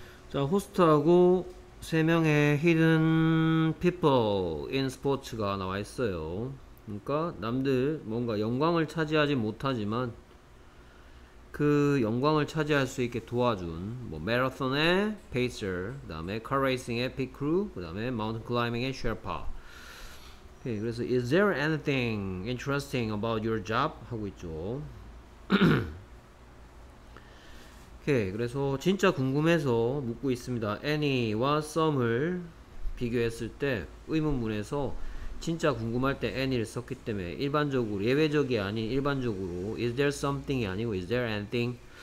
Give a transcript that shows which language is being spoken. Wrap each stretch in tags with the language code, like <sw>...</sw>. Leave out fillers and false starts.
<ko>자, 호스트하고 세 명의 히든 피플 인 스포츠가 나와 있어요. 그러니까 남들 뭔가 영광을 차지하지 못하지만 그 영광을 차지할 수 있게 도와준 뭐 마라톤의 페이서, 그다음에 카레이싱의 피크루, 그다음에 마운틴 클라이밍의 셰르파. 오케이, 그래서</ko> <en>is there anything interesting about your job?</en> <ko>하고 있죠. 오케이, 그래서 진짜 궁금해서 묻고 있습니다. any와 some을 비교했을 때 의문문에서 진짜 궁금할 때 any를 썼기 때문에 일반적으로 예외적이 아닌 일반적으로</ko> <en>is there something</en> <ko>이 아니고</ko> <en>is there anything?</en>